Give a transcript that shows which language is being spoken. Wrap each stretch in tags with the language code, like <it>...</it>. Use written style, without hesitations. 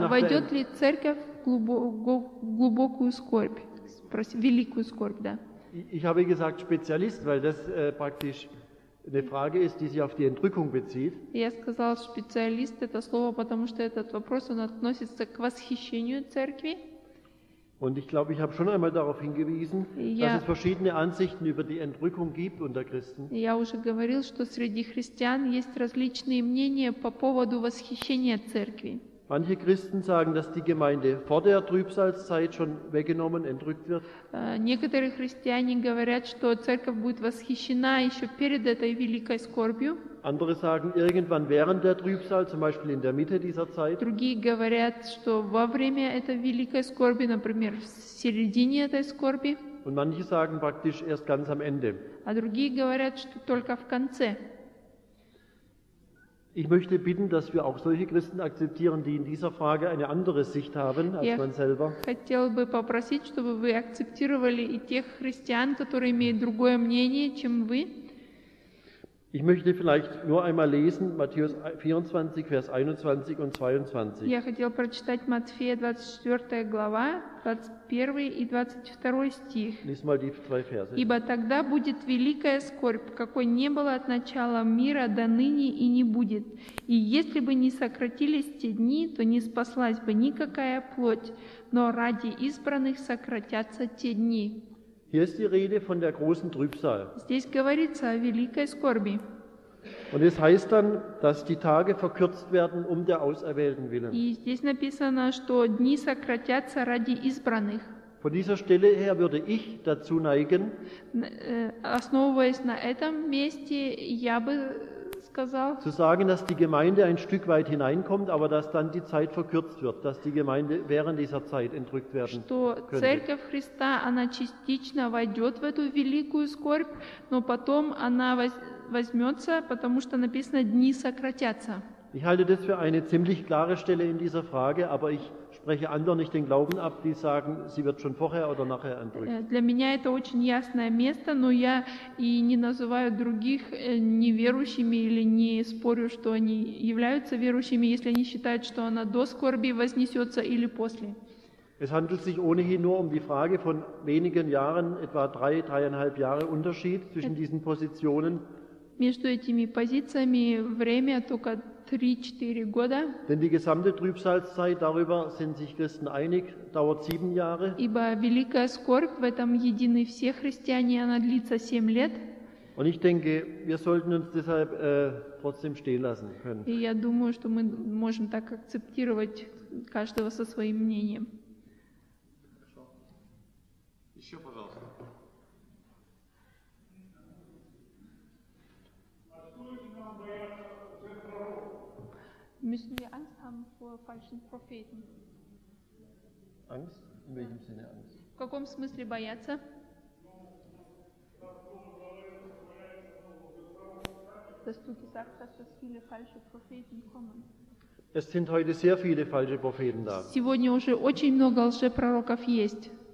<ru>nach войдет ли церковь глубокую скорбь, великую скорбь, да.</ru> <de>Ich habe gesagt Spezialist, weil das praktisch eine Frage ist, die sich auf die Entrückung bezieht.</de> <ru>Я сказал специалист это слово, потому что этот вопрос он относится к восхищению церкви.</ru> <de>Und ich glaube, ich habe schon einmal darauf hingewiesen, dass es verschiedene Ansichten über die Entrückung gibt unter Christen.</de> <ru>Я уже говорил, что среди христиан есть различные мнения по поводу восхищения церкви.</ru> <de>Manche Christen sagen, dass die Gemeinde vor der Trübsalzeit schon weggenommen, entrückt wird.</de> <ru>Некоторые христиане говорят, что церковь будет восхищена еще перед этой великой скорбью.</ru> <de>Andere sagen, irgendwann während der Trübsal, zum Beispiel in der Mitte dieser Zeit.</de> <ru>Другие говорят, что во время этой великой скорби, например, в середине этой скорби.</ru> <de>Und manche sagen praktisch erst ganz am Ende.</de> <ru>А другие говорят, что только в конце.</ru> <de>Ich möchte bitten, dass wir auch solche Christen akzeptieren, die in dieser Frage eine andere Sicht haben als man selber.</de> <ru>Я хотел бы попросить, чтобы вы акцептировали и тех христиан, которые имеют другое мнение, чем вы.</ru> <de>Ich möchte vielleicht nur einmal lesen Matthäus 24, Vers 21 und 22.</de> <ru>Я хотел прочитать Матфея 24 глава, 21 и 22 стих.</ru> <de>Lies mal die zwei Verse.</de> <ru>Ибо тогда будет великая скорбь, какой не было от начала мира до ныне и не будет. И если бы не сократились те дни, то не спаслась бы никакая плоть, но ради избранных сократятся те дни.</ru> <de>Hier ist die Rede von der großen Trübsal.</de> <ru>Здесь говорится о великой скорби.</ru> <de>Und es heißt dann, dass die Tage verkürzt werden um der Auserwählten willen.</de> <ru>И здесь написано, что дни сократятся ради избранных.</ru> <de>Von dieser Stelle her würde ich dazu neigen.</de> <ru>Основываясь на этом месте, я бы сказал,</ru> <de>zu sagen, dass die Gemeinde ein Stück weit hineinkommt, aber dass dann die Zeit verkürzt wird, dass die Gemeinde während dieser Zeit entrückt werden könnte.</de> <ru>Церковь Христа, она частично войдет в эту великую скорбь, но потом она возьмется, потому что написано, дни сократятся.</ru> <de>Ich halte das für eine ziemlich klare Stelle in dieser Frage, aber ich spreche anderen nicht den Glauben ab, die sagen, sie wird schon vorher oder nachher entrückt.</de> <ru>Для меня это очень ясное место, но я и не называю других неверующими или не спорю, что они являются верующими, если они считают, что она до скорби вознесется или после.</ru> <de>Es handelt sich ohnehin nur um die Frage von wenigen Jahren, etwa 3-3,5 Jahre Unterschied zwischen diesen Positionen.</de> <ru>Между этими позициями время только 3-4 года.</ru> <de>Denn die gesamte Trübsalzeit, darüber sind sich Christen einig, dauert 7 Jahre.</de> <ru>Ибо великая скорбь, в этом едины все христиане, она длится 7 лет.</ru> <de>Und ich denke, wir sollten uns deshalb trotzdem stehen lassen können.</de> <ru>И я думаю, что мы можем так акцептировать каждого со своим мнением. Еще, пожалуйста.</ru> <de>Müssen wir Angst haben vor falschen Propheten? Angst? In welchem Sinne Angst?</de> <ru>В каком смысле бояться?</ru> <de>Dass du gesagt hast, dass viele falsche Propheten kommen. Es sind heute sehr viele falsche Propheten da.</de> <ru>Сегодня уже очень много лжепророков есть.</ru>